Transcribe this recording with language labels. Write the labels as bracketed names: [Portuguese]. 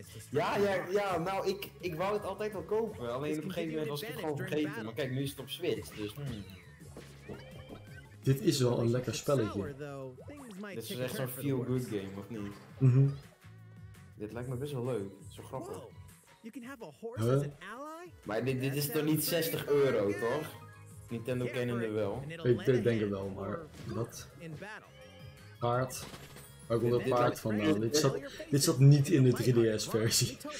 [Dutch] Ja, nou, ik wou het altijd wel kopen. Alleen op een gegeven moment was ik het gewoon vergeten. Maar kijk, nu is het op Switch, dus... Dit is wel een lekker spelletje. Dit is echt zo'n feel-good game, of niet? Mm-hmm. Dit lijkt me best wel leuk. Zo grappig. [English] You can have a horse as an ally? [Dutch] Maar dit is toch niet €60, toch? Nintendo kennende wel. Ik denk het wel, maar... Wat? Paard? Waar komt dat paard vandaan? Dit zat niet in de 3DS-versie.